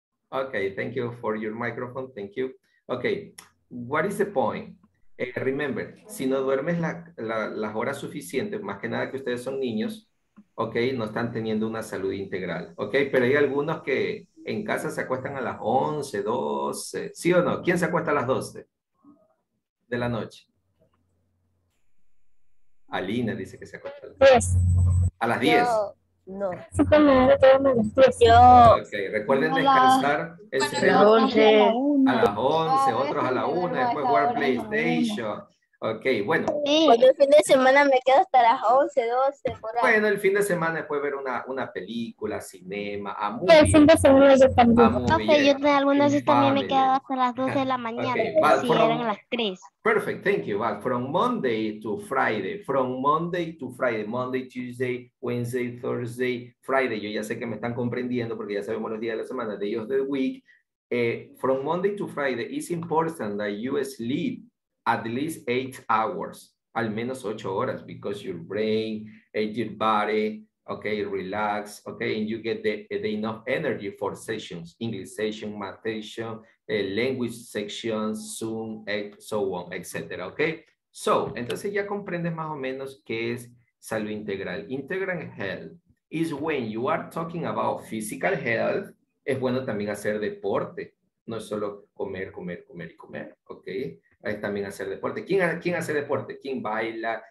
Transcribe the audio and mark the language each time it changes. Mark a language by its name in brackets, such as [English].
[English] Ok, thank you for your microphone, thank you. Ok, what is the point? Remember, [Spanish] si no duermes las horas suficientes, más que nada que ustedes son niños, ok, no están teniendo una salud integral, ok, pero hay algunos que en casa se acuestan a las 11, 12, ¿sí o no? ¿Quién se acuesta a las 12 de la noche? Alina dice que se acuesta a las 10. ¿A las 10? No. Ok, recuerden descansar. A las 11, otros a la 1, después jugar PlayStation. Ok, bueno. Sí, el fin de semana me quedo hasta las 11, 12, por ahí. Bueno, el fin de semana después ver una película, [English] cinema, a [Spanish] movie. El fin de semana yo también. Algunas veces también me quedo hasta las 12 de la mañana, si eran las 3. [English] Perfect, thank you. But from Monday to Friday, Monday, Tuesday, Wednesday, Thursday, Friday. [Spanish] Yo ya sé que me están comprendiendo porque ya sabemos los días de la semana, [English] day of the week. From Monday to Friday, it's important that you sleep at least 8 hours, [Spanish] al menos 8 horas, [English] because your brain and your body, okay, relax, okay, and you get the enough energy for sessions, English session, math session, language sections, Zoom, so on, etc. [Spanish] Okay, so, entonces ya comprendes más o menos qué es salud integral. [English] Integral health is when you are talking about physical health, [Spanish] es bueno también hacer deporte, no es solo comer, comer, comer y comer, okay. es también hacer deporte. ¿Quién hace deporte? ¿Quién baila?